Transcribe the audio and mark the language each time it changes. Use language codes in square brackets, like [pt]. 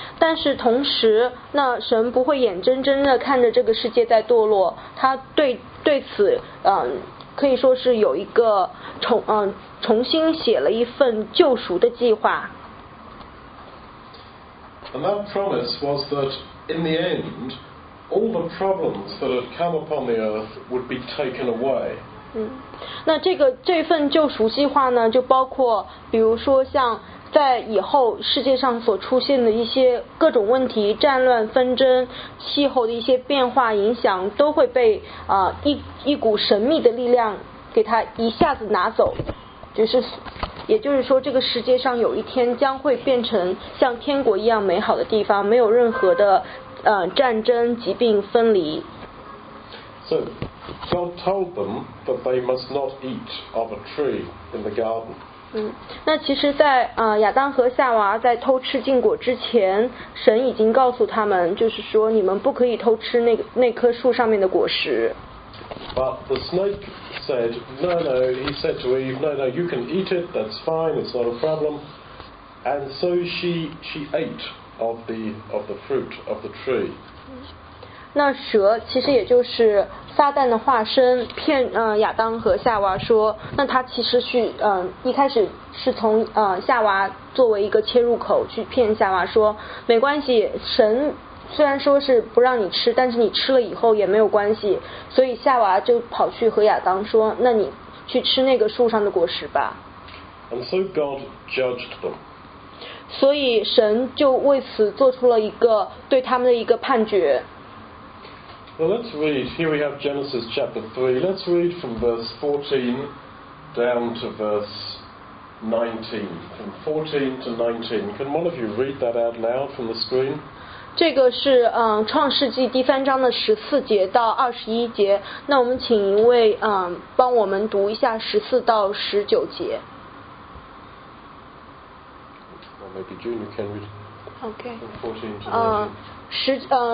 [zh] 但是同时，那神不会眼睁睁的看着这个世界在堕落，他对此可以说是有一个重新写了一份救赎的计划。 [en] And that promise was that in the end, all the problems that had come upon the earth would be taken away. [zh] 那这份救赎计划呢，就包括比如说像在以后世界上所出现的一些各种问题，战乱、纷争、气候的一些变化影响，都会被一股神秘的力量给它一下子拿走，就是。也就是说，这个世界上有一天将会变成像天国一样美好的地方，没有任何的战争、疾病、分离。 [en] So God told them that they must not eat of a tree in the garden. [zh] 那其实在亚当和夏娃在偷吃禁果之前，神已经告诉他们，就是说你们不可以偷吃那棵树上面的果实。 [en] But the snake said, no, no, he said to Eve, no, no, you can eat it, that's fine, it's not a problem. And so she ate of the fruit of the tree. [zh] 那蛇其实也就是撒旦的化身骗亚当和夏娃说，那他其实去一开始是从夏娃作为一个切入口去骗夏娃说，没关系，神虽然说是不让你吃，但是你吃了以后也没有关系，所以夏娃就跑去和亚当说，那你去吃那个树上的果实吧。 [en] And so God judged them. [zh] 所以神就为此做出了一个对他们的一个判决。 [en] Well, let's read. Here we have Genesis chapter 3. Let's read from verse 14 down to verse 19. From 14 to 19. Can one of you read that out loud from the screen? [zh] 这个是创世纪第三章的14节到21节，那我们请一位帮我们读一下14到19节。 [en] Well, maybe Junior can read. Okay.